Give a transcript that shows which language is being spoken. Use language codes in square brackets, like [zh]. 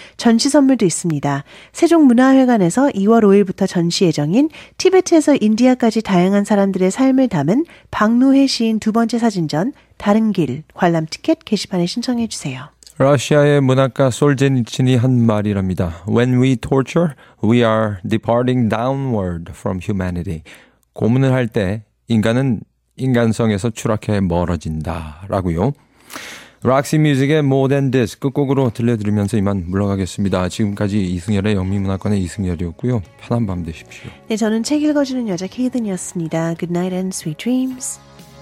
[ko] 전시 선물도 있습니다. 세종문화회관에서 2월 5일부터 전시 예정인 티베트에서 인디아까지 다양한 사람들의 삶을 담은 박노혜 시인 두 번째 사진전 다른 길 관람 티켓 게시판에 신청해 주세요. 러시아의 문학가 솔제니친이 한 말이랍니다. [en] When we torture, we are departing downward from humanity. [ko] 고문을 할 때 인간은 인간성에서 추락해 멀어진다라고요. 락시 뮤직의 More Than This 끝곡으로 들려드리면서 이만 물러가겠습니다. 지금까지 이승열의 영미문화권의 이승열이었고요. 편한 밤 되십시오. 네, 저는 책 읽어주는 여자 케이든이었습니다. [en] Good night and sweet dreams.